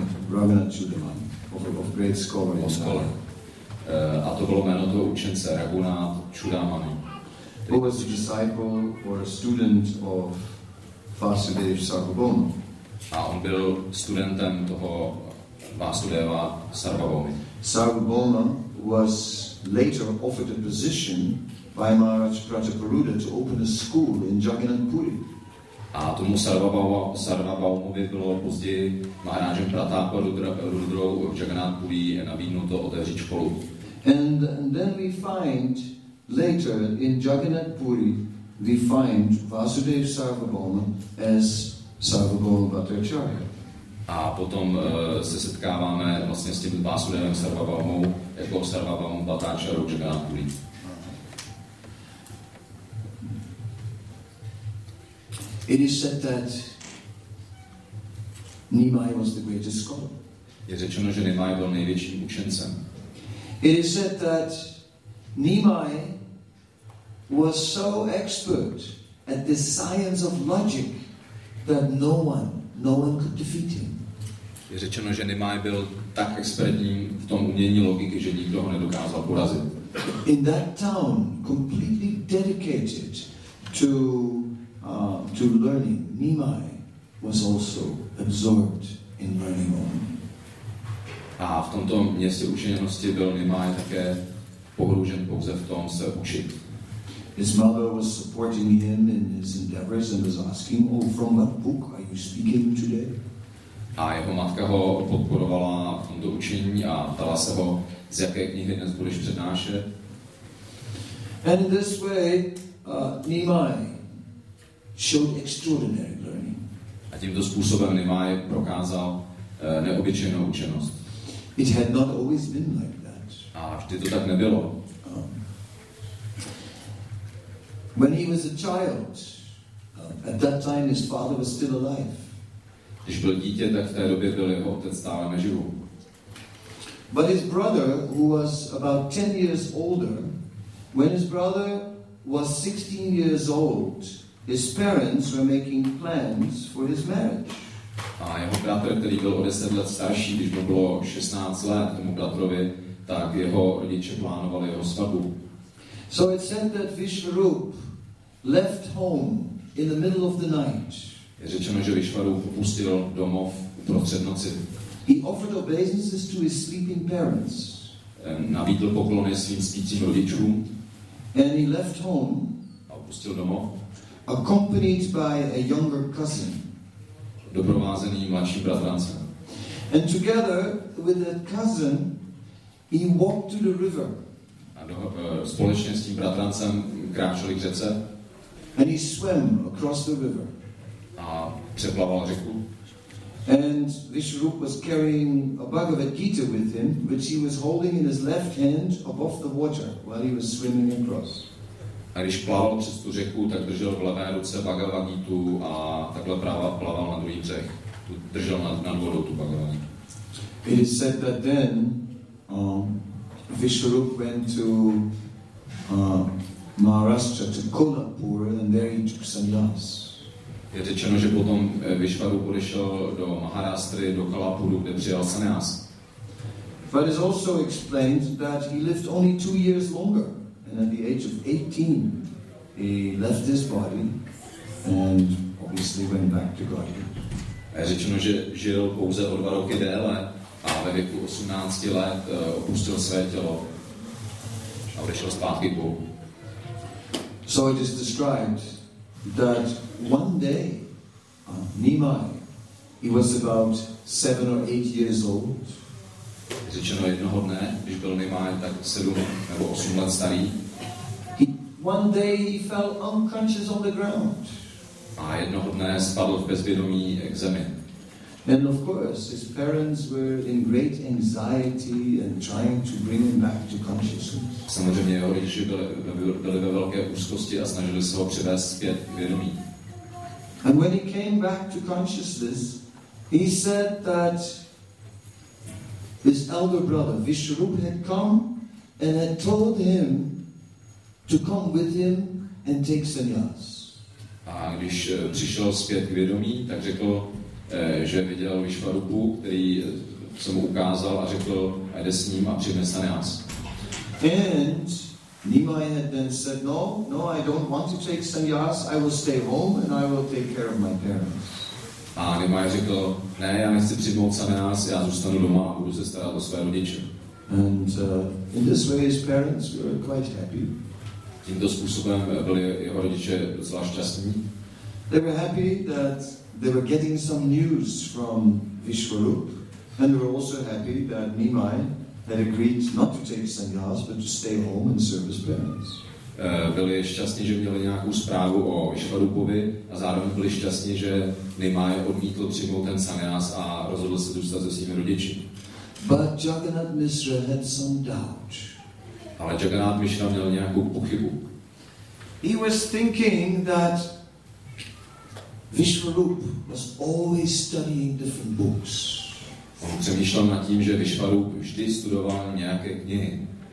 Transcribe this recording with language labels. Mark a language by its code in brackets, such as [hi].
[en] Raghunath Chudamani, of great scholar. Of scholar. [cs] A to bylo jméno toho učence Raghunath Chudamani. [en] Who was a disciple or a student of Vasudev Sarvabhoma? [cs] A on byl studentem toho Vasudeva Sarvabhoma. [en] Sarvabhoma was later offered a position by Maharaj Prataparuda to open a school in Jagannath Puri. [cs] A tomu Sarvabhoma bylo později Maharajem Prataparudrou v Jagannath Puri nabídnuto otevřít školu. [en] And then we find later in Jagannath Puri we find Vasudev Sarvabhoma as Sarvabhoma Bhattacharya. [cs] A potom se setkáváme vlastně s tím Vasudevem Sarvabhomou jako Sarvabhomou Bhattacharya v Jagannath Puri. [en] It is said that Nimai was the greatest scholar. [cs] Je řečeno, že Nimai byl největším učencem. [en] It is said that Nimai was so expert at the science of logic that no one could defeat him. [cs] Je řečeno, že Nimai byl tak expertní v tom umění logiky, že nikdo ho nedokázal porazit. [en] In that town, completely dedicated to learning, Nimai was also absorbed in learning only. [cs] A v tomto městě učeněnosti byl Nimai také pohlužen pouze v tom se učit. [en] His mother was supporting him in his endeavors and was asking, oh, from what book are you speaking today? [cs] A jeho matka ho podporovala v tomto učení a ptala se ho, z jaké knihy dnes budeš přednášet. [en] And in this way, Nimai showed extraordinary learning. [cs] A tímto způsobem Nimai prokázal neobyčejnou učenost. [en] It had not always been like that. [cs] A vždy to tak nebylo. [en] When he was a child, at that time his father was still alive. [cs] Když byl dítě, tak v té době byl jeho otec stále naživu. [en] But his brother, who was about 10 years older, when his brother was 16 years old, his parents were making plans for his marriage. [cs] A jeho bratr, který byl o 10 let starší, když mu bylo 16 let, tomu bratrovi, tak jeho rodiče plánovali jeho svatbu. [en] So it said that Vishvarup left home in the middle of the night. [cs] Je řečeno, že Vishvarup opustil domov uprostřed noci. [en] He offered obeisances to his sleeping parents. [cs] Nabídl poklony svým spícím rodičům. [en] And he left home. [cs] A opustil domov. [en] Accompanied by a younger cousin. [cs] Doprovázený mladší bratrancem. [en] And together with that cousin, he walked to the river. [cs] A společně s tím bratrancem kráčeli k řece. [en] And he swam across the river. [cs] A přeplaval řeku. [en] And Vishvarupa was carrying a Bhagavad Gita with him, which he was holding in his left hand above the water while he was swimming across. [cs] A když plaval přes tu řeku, tak držel v levé ruce Bhagavad Gitu a takhle právě plaval na druhý břeh. Držel nad vodou tu Bhagavad Gitu. [en] It is said that then Vishvarup went to Maharashtra, to Kolhapur, and there he took sannyas. [cs] Je řečeno, že potom Vishvarup odešel do Maharashtry, do Kolhapuru, kde přijal sannyas. [en] But it is also explained that he lived only 2 years longer. And at the age of 18, he left his body and obviously went back to Godhead. [cs] Je řečeno, že žil pouze o 2 roky déle a ve věku 18 let opustil své tělo a odešel zpátky k Bohu. [en] So it is described that one day, Nimai, he was about 7 or 8 years old. [cs] Je řečeno jednoho dne, když byl Nimai tak 7 nebo 8 let starý. [en] One day he fell unconscious on the ground. [cs] A jednoho dne spadl v bezvědomí k zemi. [en] And of course his parents were in great anxiety and trying to bring him back to consciousness. [cs] Samozřejmě jeho rodiče byli ve velké úzkosti a snažili se ho přivést zpět k vědomí. [en] And when he came back to consciousness, he said that this elder brother, Vishwarupa, had come and had told him to come with him and take sannyas. [cs] A když přišel zpět k vědomí, tak řekl, že viděl Vishwarupu, který se mu ukázal a řekl, jde s ním a přines sannyas. [en] And Nimai had then said, no, I don't want to take sannyas, I will stay home and I will take care of my parents. [cs] A Nimai řekl, ne, já nechci přijmout sannyas, já zůstanu doma a budu se starat o své rodiče. [en] And in this way his parents were quite happy. [cs] Tímto způsobem byli jeho rodiče docela šťastní. [en] They were happy that they were getting some news from Vishwarup, and they were also happy that Nimai had agreed not to take sannyas, but to stay home and serve his parents. [cs] Byli šťastní, že měli nějakou zprávu o Vishwarupovi a zároveň byli šťastní, že Nimai odmítl přijmout ten sannyas a rozhodl se zůstat se svými rodiči. [en] But Jagannath Mishra had some doubt. [cs] Ale Jagannath Mishra měl nějakou pochybu. [en] He was thinking that Vishwarup was always studying different books. [cs] On přemýšlel nad tím, že Vishwarup vždy studoval nějaké knihy.